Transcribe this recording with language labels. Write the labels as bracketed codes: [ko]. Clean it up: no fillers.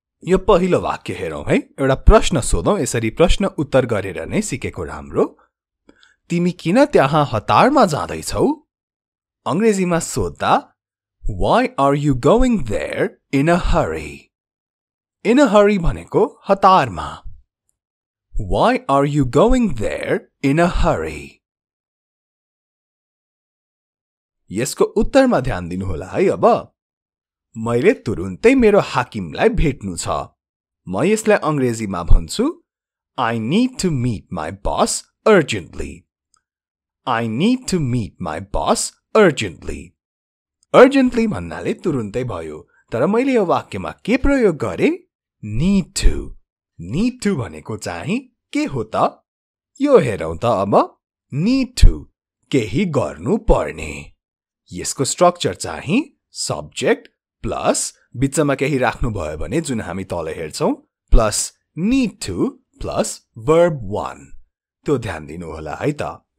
[ne] यो पहिलो वाक्य हेरौँ है एउटा प्रश्न सोधौँ यसरी प्रश्न उत्तर गरेर नै सिकेको राम्रो तिमी किन त्यहाँ हतारमा जाँदैछौ अङ्ग्रेजीमा सोद्धा [en] Why are you going there in a hurry? In a hurry [ne] भनेको हतारमा [en] Why are you going there in a hurry? [ne] यसको उत्तरमा ध्यान दिनुहोला है अब मैले तुरुन्तै मेरो हाकिमलाई भेट्नु छ म यसलाई अङ्ग्रेजीमा भन्छु [en] I need to meet my boss urgently. I need to meet my boss urgently. [ne] Urgently भन्नाले तुरुन्तै भयो तर मैले यो वाक्यमा के प्रयोग गरे need to भनेको चाहिँ के हो त यो हेरौँ त अब need to केही गर्नु पर्ने यसको स्ट्रक्चर चाहिँ सब्जेक्ट प्लस बिचमा केही राख्नुभयो भने जुन हामी तल हेर्छौँ plus need to plus verb 1 त्यो ध्यान दिनुहोला है त